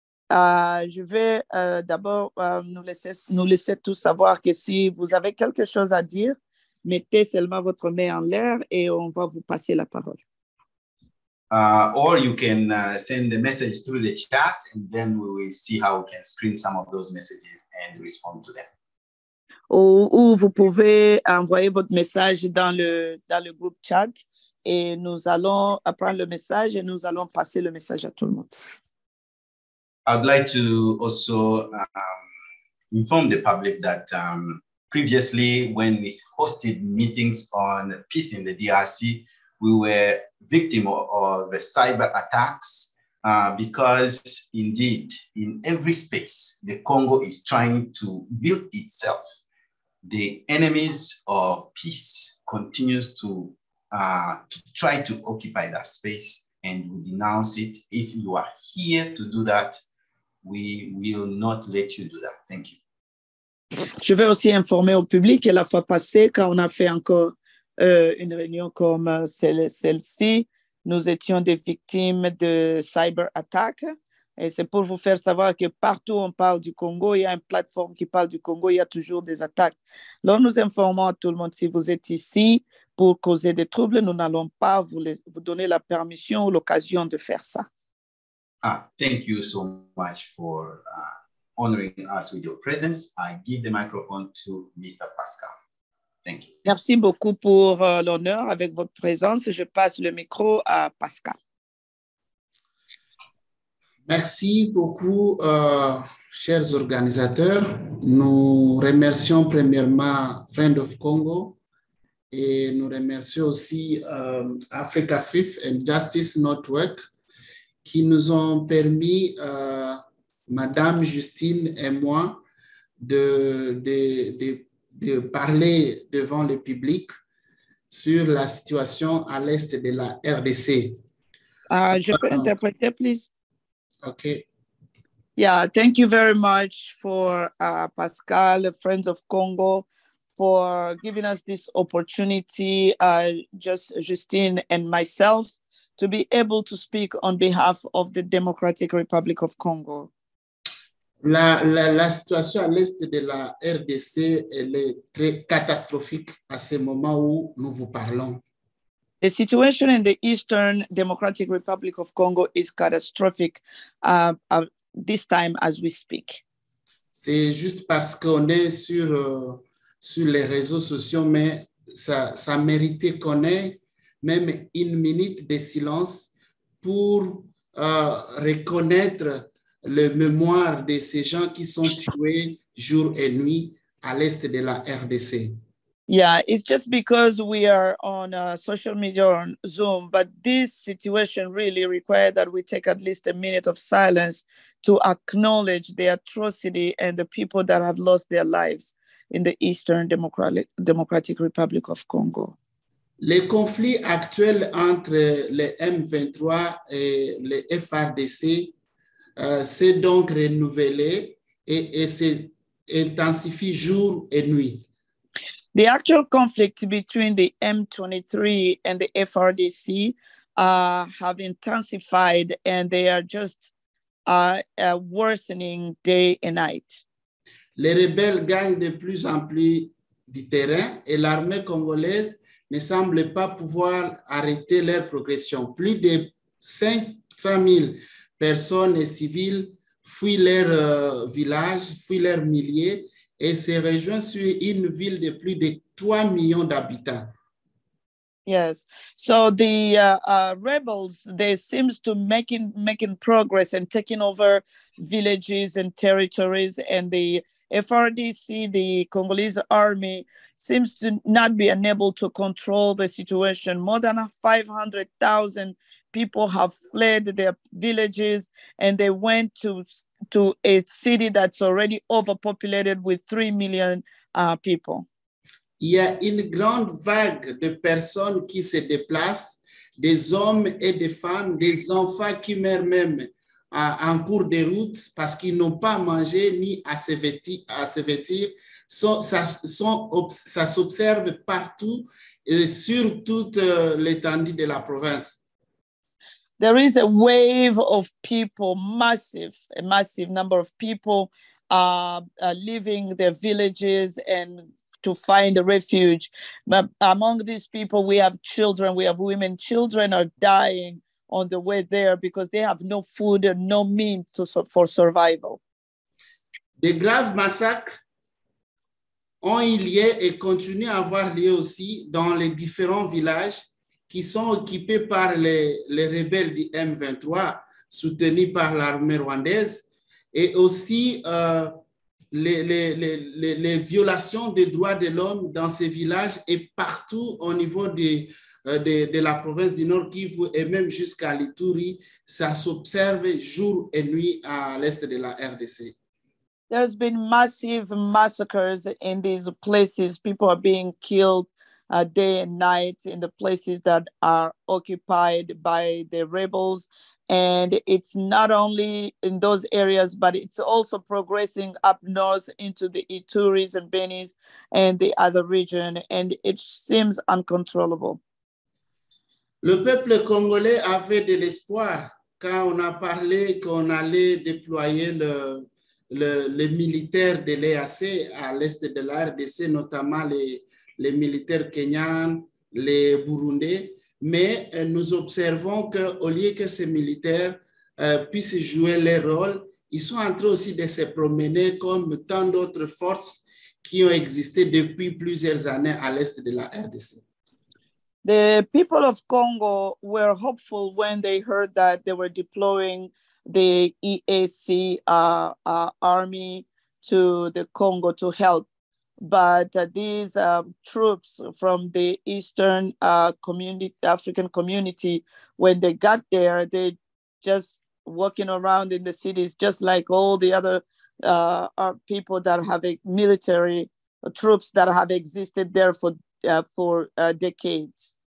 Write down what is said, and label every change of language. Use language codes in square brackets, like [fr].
[fr] Je vais d'abord nous laisser tous savoir que si vous avez quelque chose à dire, mettez seulement votre main en l'air et on va vous passer la parole. [en] Or you can send the message through the chat and then we will see how we can screen some of those messages and respond to them. [fr] Ou vous pouvez envoyer votre message dans le groupe chat et nous allons prendre le message et nous allons passer le message à tout le monde. [en] I'd like to also inform the public that previously when we hosted meetings on peace in the DRC, we were victim of cyber attacks because indeed in every space, the Congo is trying to build itself. The enemies of peace continues to try to occupy that space and we denounce it. If you are here to do that, we will not let you do that. Thank you. [fr] Je vais aussi informer au public que la fois passée, quand on a fait encore une réunion comme celle-ci, nous étions des victimes de cyber attaques. Et c'est pour vous faire savoir que partout où on parle du Congo, il y a une plateforme qui parle du Congo, il y a toujours des attaques. Alors nous informons à tout le monde, si vous êtes ici pour causer des troubles, nous n'allons pas vous donner la permission ou l'occasion de faire ça. [en] Thank you so much for honoring us with your presence. I give the microphone to Mr. Pascal. Thank you. [fr] Merci beaucoup pour l'honneur avec votre présence. Je passe le micro à Pascal. Merci beaucoup, chers organisateurs. Nous remercions premièrement Friends of Congo et nous remercions aussi Africa Fifth and Justice Network qui nous ont permis, Madame Justine et moi, de parler devant le public sur la situation à l'est de la RDC. Je peux interpréter, [en] please? OK. Yeah, thank you very much for Pascal, Friends of Congo, for giving us this opportunity, just Justine and myself, to be able to speak on behalf of the Democratic Republic of Congo. [fr] La situation à l'est de la RDC, elle est très catastrophique à ce moment où nous vous parlons. [en] The situation in the Eastern Democratic Republic of Congo is catastrophic this time as we speak. [fr] C'est juste parce qu'on est sur les réseaux sociaux, mais ça méritait qu'on ait même une minute de silence pour reconnaître le mémoire de ces gens qui sont tués jour et nuit à l'est de la RDC. [en] Yeah, it's just because we are on social media or on Zoom, but this situation really required that we take at least a minute of silence to acknowledge the atrocity and the people that have lost their lives in the Eastern Democratic Republic of Congo. [fr] Les conflits actuels entre les M23 et les FRDC s'est donc renouvelé et s'intensifie jour et nuit. [en] The actual conflict between the M23 and the FRDC have intensified and they are just worsening day and night. [fr] Les rebelles gagnent de plus en plus du terrain et l'armée congolaise ne semble pas pouvoir arrêter leur progression. Plus de 500 000 personnes et civils fuient leur village, fuient leurs milliers. Et se rejoint sur une ville de plus de 3 millions d'habitants. [en] Yes. So the rebels, they seems to making progress and taking over villages and territories. And the FRDC, the Congolese army, seems to not be unable to control the situation. More than 500,000 people have fled their villages and they went to a city that's already overpopulated with 3 million people. [fr] Il y a une grande vague de personnes qui se déplacent, des hommes et des femmes, des enfants qui meurent même en cours de route parce qu'ils n'ont pas mangé ni à se vêtir. Ça s'observe partout et sur toute l'étendue de la province. [en] There is a wave of people, a massive number of people leaving their villages and to find a refuge. But among these people, we have children, we have women. Children are dying on the way there because they have no food and no means for survival. [fr] Des graves massacres ont eu lieu et continuent à avoir lieu aussi dans les différents villages qui sont occupés par les rebelles du M23, soutenus par l'armée rwandaise, et aussi les violations des droits de l'homme dans ces villages et partout au niveau de la province du Nord Kivu et même jusqu'à l'Ituri, ça s'observe jour et nuit à l'est de la RDC. [en] There's been massive massacres in these places. People are being killed day and night in the places that are occupied by the rebels. And it's not only in those areas, but it's also progressing up north into the Ituris and Benis and the other region. And it seems uncontrollable. [fr] Le peuple congolais avait de l'espoir quand on a parlé qu'on allait déployer le militaire de l'EAC à l'est de la RDC, notamment les militaires kenyans, les Burundais, mais nous observons qu'au lieu que ces militaires puissent jouer leur rôle, ils sont en train aussi de se promener comme tant d'autres forces qui ont existé depuis plusieurs années à l'est de la RDC. [en] The people of Congo were hopeful when they heard that they were deploying the EAC army to the Congo to help. But these troops from the Eastern African community, when they got there, they just walking around in the cities, just like all the other people that have military troops that have existed there for decades.